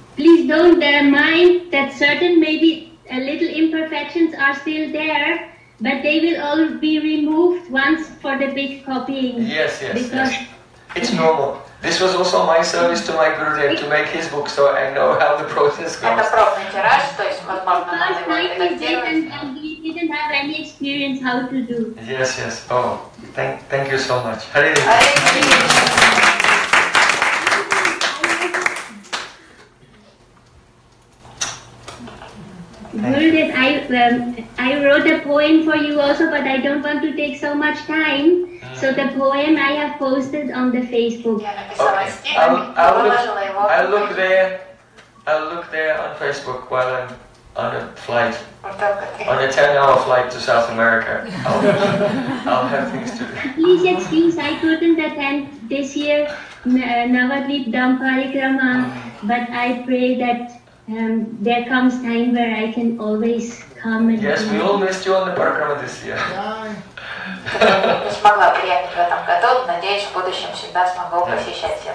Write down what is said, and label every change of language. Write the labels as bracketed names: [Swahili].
[English] Please don't mind that certain maybe a little imperfections are still there, but they will all be removed once for the big copying. Yes, yes, yes. It's normal. This was also my service to my Gurudev to make his book, so I know how the process goes. [Russian] Это пробный тираж, то есть возможно надо это сделать. [English] We didn't have any experience how to do. Yes, yes. Oh, thank you so much. Hare Krishna. Hare Krishna. Hare Krishna. Gurudev, I wrote a poem for you also, but I don't want to take so much time. So the poem I have posted on the Facebook. Okay. I'll look there on Facebook while I'm on a flight. On a 10-hour flight to South America. I'll have things to do. Please excuse, I couldn't attend this year Navadvip Dham Parikrama, but I pray that there comes time where I can always come and yes, come. We all missed you on the Parikrama this year. [Russian] Не смогла приехать в этом году, надеюсь, в будущем всегда смогу посещать все